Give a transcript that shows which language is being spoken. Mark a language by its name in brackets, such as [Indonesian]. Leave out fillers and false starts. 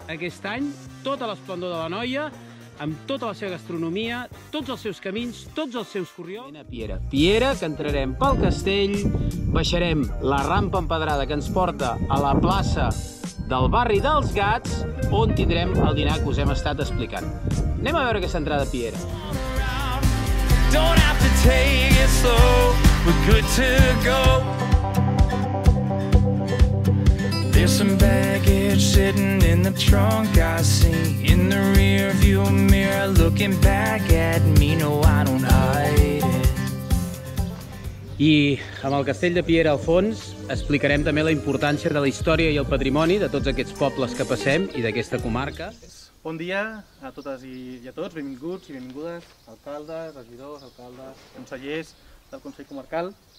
[Catalan] Aquest any, tota l'esplendor de l'Anoia, amb tota la seva gastronomia, tots els seus camins, tots els seus corriols. Vén a Piera. Piera, que entrarem pel castell, baixarem la rampa empedrada que ens porta a la plaça del barri dels Gats, on tindrem el dinar que us hem estat explicant. Anem a veure aquesta entrada a Piera. [English] Don't have to take it slow, we're good to go. There's some baggage sitting in the trunk I see. In the rearview mirror looking back at me. No, I don't hide it. [Catalan] I amb el castell de Piera al fons explicarem també la importància de la història i el patrimoni de tots aquests pobles que passem i d'aquesta comarca. Bon dia a totes i a tots, benvinguts i benvingudes, alcaldes, regidors, alcaldes, consellers del Consell Comarcal.